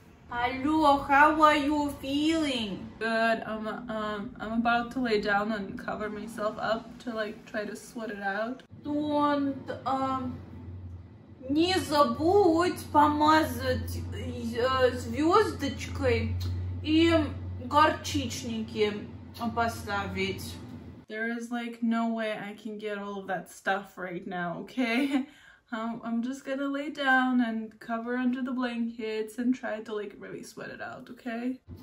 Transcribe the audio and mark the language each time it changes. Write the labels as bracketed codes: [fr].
[en] How are you feeling? Good. I'm about to lay down and cover myself up to like try to sweat it out. Don't [ru] не забудь помазать звездочкой и горчичники поставить. [en] There is like no way I can get all of that stuff right now, okay? I'm just gonna lay down and cover under the blankets and try to like really sweat it out, okay?